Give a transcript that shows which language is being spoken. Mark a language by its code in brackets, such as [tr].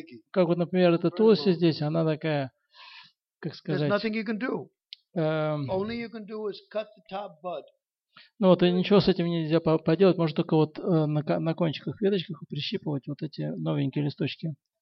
[ru] Как вот, например, эта тулси здесь, она такая, как сказать. [en] Only you can do is cut the top bud. [ru] Ну вот, и ничего с этим нельзя поделать, можно только вот на кончиках веточках прищипывать вот эти новенькие листочки.